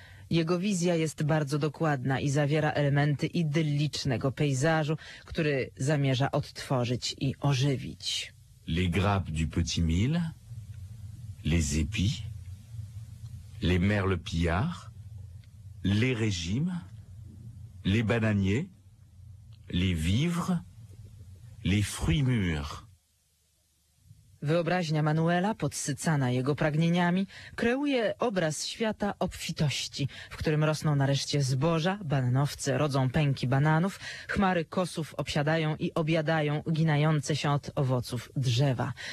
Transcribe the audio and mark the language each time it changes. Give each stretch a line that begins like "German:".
Polish: Jego wizja jest bardzo dokładna i zawiera elementy idyllicznego pejzażu, który zamierza odtworzyć i ożywić.
French: Les grappes du petit mil. Les épis, les merles pillards, les régimes, les bananiers, les vivres, les fruits mûrs.
Polish: Wyobraźnia Manuela, podsycana jego pragnieniami, kreuje obraz świata obfitości, w którym rosną nareszcie zboża, bananowce rodzą pęki bananów, chmary kosów obsiadają i objadają uginające się od owoców drzewa.